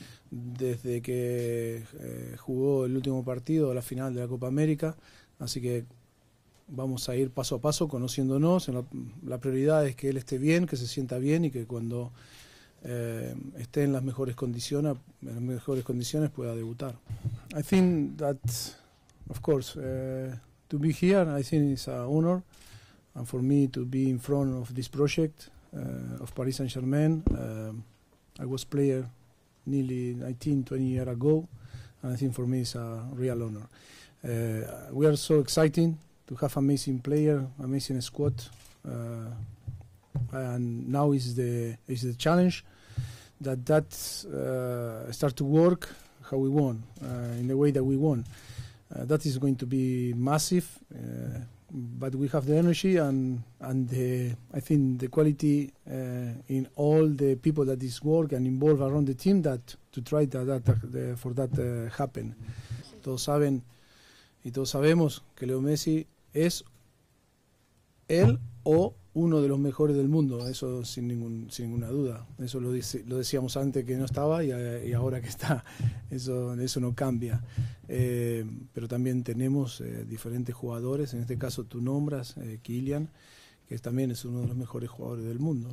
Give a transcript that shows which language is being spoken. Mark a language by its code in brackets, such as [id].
[es] Desde que jugó el último partido, la final de la Copa América, así que vamos a ir paso a paso conociéndonos. La prioridad es que él esté bien, que se sienta bien y que cuando esté en las mejores condiciones, pueda debutar. [en] I think that, of course, to be here, I think it's an honor, and for me to be in front of this project of Paris Saint-Germain. I was player nearly 19, 20 years ago, and I think for me it's a real honor. We are so exciting to have amazing player, amazing squad, and now is the challenge that start to work how we want, in the way that we want. That is going to be massive, but we have the energy and the quality in all the people that is work and involved around the team to try for that happen. [es] Todos saben y todos sabemos que Leo Messi es él o uno de los mejores del mundo, eso sin ninguna duda. Eso lo decíamos antes que no estaba y ahora que está, eso no cambia. Pero también tenemos diferentes jugadores, en este caso tú nombras, Kylian, que también es uno de los mejores jugadores del mundo.